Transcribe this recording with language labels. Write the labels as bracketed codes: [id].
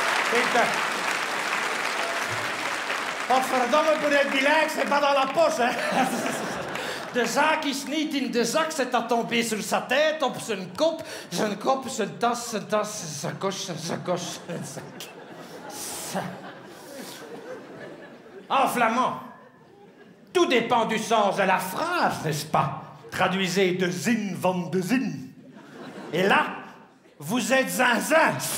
[fr] C'est... Oh, verdomme, pour être bilingue, c'est pas dans la poche, hein. [nl] De zak is niet in de zak, [fr] c'est à tomber sur sa tête, [nl] op zijn kop, zijn kop, zijn tas, [fr] sa coche, [nl] zijn zak. [fr] En flamand, tout dépend du sens de la phrase, n'est-ce pas? Traduisez [nl] de zin van de zin. [fr] Et là, vous êtes un zin.